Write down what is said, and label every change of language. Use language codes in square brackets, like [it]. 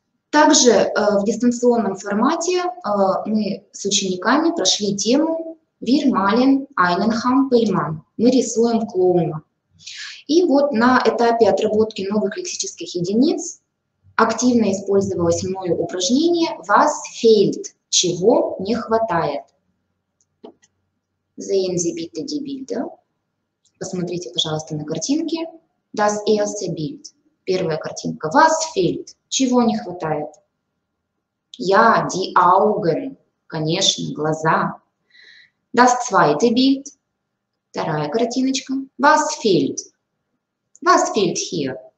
[ru] Также в дистанционном формате мы с учениками прошли тему [de] «Wir malen einen Hampelmann» [ru] – «Мы рисуем клоуна». И вот на этапе отработки новых лексических единиц активно использовалось мною упражнение [de] «Was fehlt?» [ru] – «Чего не хватает?» [de] Sehen Sie bitte die Bilder. [ru] Посмотрите, пожалуйста, на картинке. [de] Das erste Bild. [ru] Первая картинка. [de] Was fehlt? [ru] Чего не хватает? [de] Ja, die Augen. [ru] Конечно, глаза. [de] Das zweite Bild. [ru] Вторая картиночка. [de] Was fehlt? Was fehlt hier?